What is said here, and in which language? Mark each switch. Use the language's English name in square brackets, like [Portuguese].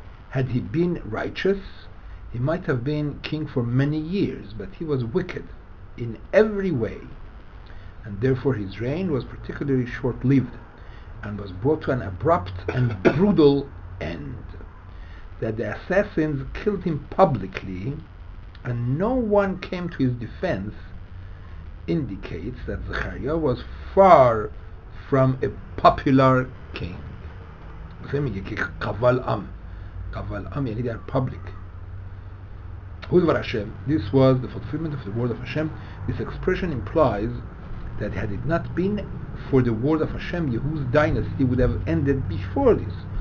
[English] Had he been righteous, he might have been king for many years, but he was wicked in every way, and therefore his reign was particularly short-lived and was brought to an abrupt and brutal end. That the assassins killed him publicly and no one came to his defense indicates that Zechariah was far from a popular king. [Persian] مثلا میگه که قوال ام یعنی در پابلیک. [English] هودور هشم, this was the fulfillment of the word of Hashem. This expression implies that had it not been for the word of Hashem, Yehu's dynasty would have ended before this.